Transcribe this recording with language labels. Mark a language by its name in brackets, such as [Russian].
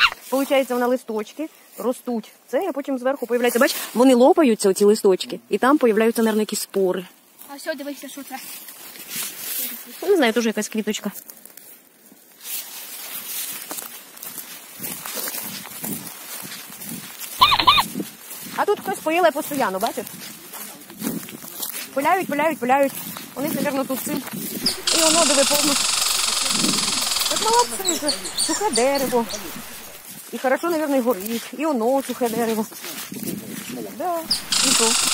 [Ukrainian] Получается, на листочки ростуть. Це потім зверху появляється. Бач, вони лопаються, ці листочки. І там появляються, наверное, якісь спори. А все, дивися, що це. Ну, не знаю, теж якась квіточка. А тут хтось поїла постоянно, бачиш? Пиляють. Вони, напевно, тут цим. І воно, диви, повністю. Так молодці, сухе дерево. [Russian] И хорошо, наверное, горит. И оно сухое дерево. Да, и то.